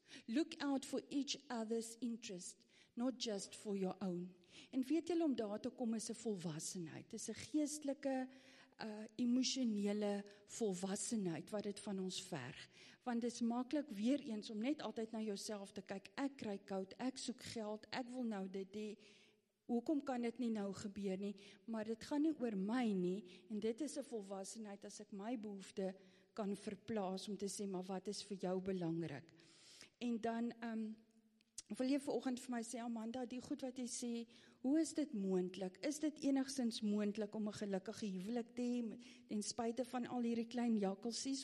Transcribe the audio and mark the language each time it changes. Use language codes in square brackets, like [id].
[en] Look out for each other's interest, not just for your own. [af] En weet julle, om daar te kom is 'n volwassenheid. Dis 'n geestelike, emosionele volwassenheid wat dit van ons verg. Want dis maklik weer eens om net altyd na jouself te kyk. Ek kry koud, ek soek geld, ek wil nou dit hê. Hoekom kan dit nie nou gebeur nie? Maar dit gaan nie oor my nie. En dit is 'n volwassenheid as ek my behoefte kan verplaas om te sê, maar wat is vir jou belangrik? En dan wil jy vanoggend vir my sê, Amanda, die goed wat jy sê, hoe is dit moontlik? Is dit enigszins moontlik om 'n gelukkige huwelik te hê, ten spyte van al hierdie klein jakkelsies?